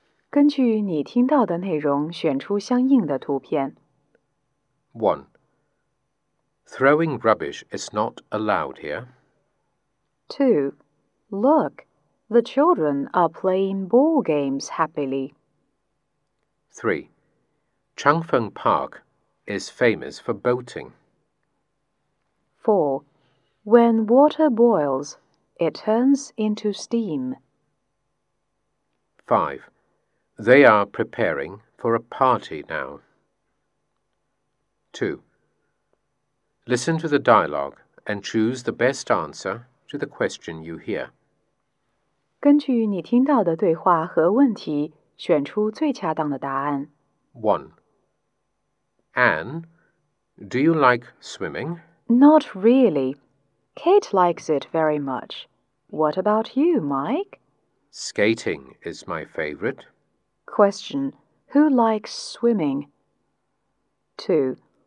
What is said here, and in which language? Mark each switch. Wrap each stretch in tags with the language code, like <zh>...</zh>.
<zh>根据你听到的内容选出相应的图片. 1.</zh> <en>Throwing rubbish is not allowed here. 2. Look, the children are playing ball games happily. 3. Changfeng Park is famous for boating. 4. When water boils, it turns into steam. 5. They are preparing for a party now. 2. Listen to the dialogue and choose the best answer to the question you hear.</en> <zh>根据你听到的对话和问题, 选出最恰当的答案. 1.</zh> <en>Anne, do you like swimming? Not really. Kate likes it very much. What about you, Mike? Skating is my favorite. Question: Who likes swimming? 2.</en>